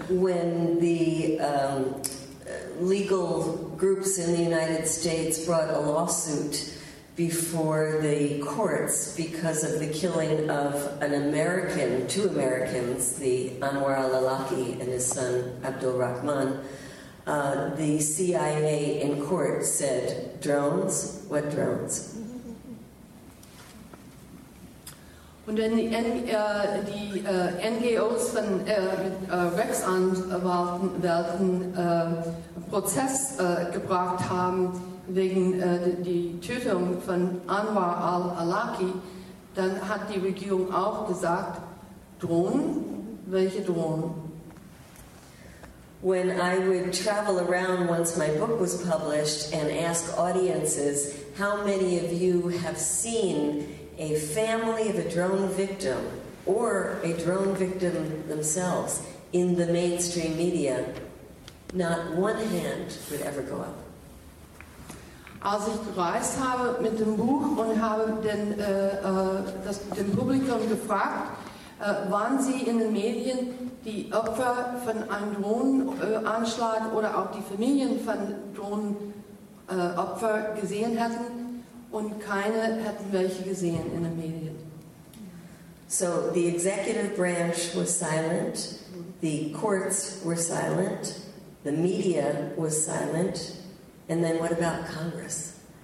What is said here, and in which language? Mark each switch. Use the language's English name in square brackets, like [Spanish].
[English] When the legal groups in the United States brought a lawsuit before the courts because of the killing of an American, two Americans, the Anwar al-Awlaki and his son Abdul Rahman, the CIA in court said, drones? What drones? [German] Und wenn die NGOs von Rechtsanwälten einen Prozess gebracht haben, wegen die Tötung von Anwar al-Awlaki, dann hat die Regierung auch gesagt, Drohnen? Welche Drohnen? [English] When I would travel around once my book was published and ask audiences, how many of you have seen a family of a drone victim or a drone victim themselves in the mainstream media, not one hand would ever go up. [German] Als ich gereist habe mit dem Buch und habe dem Publikum gefragt, waren sie in den Medien die Opfer von einem Drohnenanschlag oder auch die Familien von Drohnenopfer gesehen hätten, und keine hätten welche gesehen in den Medien. [English] So the executive branch was silent, the courts were silent, the media was silent. And then what about Congress?